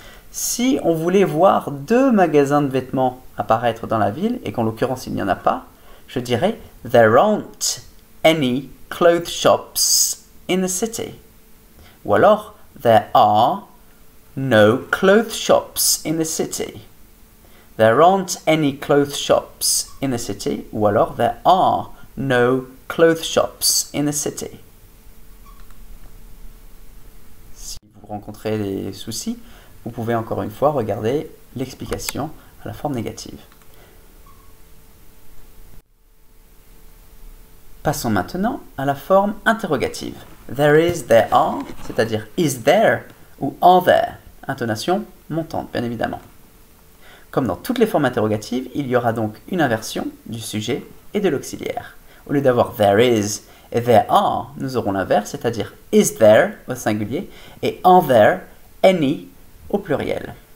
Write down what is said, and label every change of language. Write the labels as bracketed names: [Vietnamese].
[French] Si on voulait voir deux magasins de vêtements apparaître dans la ville, et qu'en l'occurrence il n'y en a pas, je dirais [English] there aren't any clothes shops in the city. [French] Ou alors [English] there are no clothes shops in the city. There aren't any clothes shops in the city. [French] Ou alors [English] there are no clothes shops in the city. [French] Si vous rencontrez des soucis, vous pouvez encore une fois regarder l'explication à la forme négative. Passons maintenant à la forme interrogative. [English] There is, there are, [French] c'est-à-dire [English] is there ou are there? [French] Intonation montante, bien évidemment. Comme dans toutes les formes interrogatives, il y aura donc une inversion du sujet et de l'auxiliaire. Au lieu d'avoir there is et there are, nous aurons l'inverse, c'est-à-dire [English] is there [French] au singulier et [English] are there any [French] au pluriel.